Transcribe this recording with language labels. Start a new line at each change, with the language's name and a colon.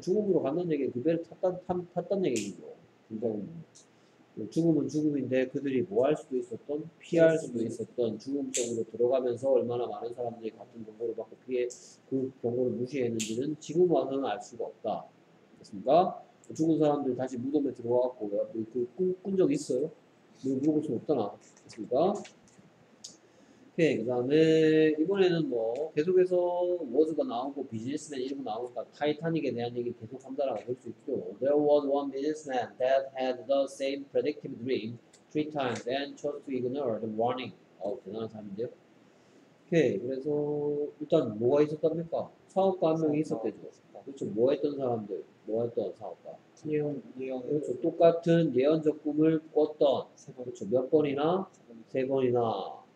Korean: 죽음으로 간다는 얘기는 그 배를 탔단 얘기죠. 죽음은 죽음인데 그들이 뭐 할 수도 있었던, 피할 수도 있었던, 죽음 쪽으로 들어가면서 얼마나 많은 사람들이 같은 경고를 받고 피해 그 경고를 무시했는지는 지금 와서는 알 수가 없다. 됐습니까? 죽은 사람들 다시 무덤에 들어와서 꾼 적 있어요? 물어볼 수 없잖아. 됐습니까? 오케이. 그 다음에 이번에는 뭐 계속해서 워즈가 나오고 비즈니스맨 이름이 나오니까 타이타닉에 대한 얘기 계속 한다라고 볼 수 있죠.
English: There was one businessman that had the same predictive dream three times and chose to ignore the warning.
Korean: 대단한 사람인데요. 오케이. 그래서 일단 뭐가 있었답니까? 사업가 한 명이 있었대죠. 그렇죠. 뭐 했던 사람들. 뭐 했던 사업가. 예언. 그렇죠. 똑같은 예언적 꿈을 꿨던. 그렇죠. 몇 번이나? 세 번이나.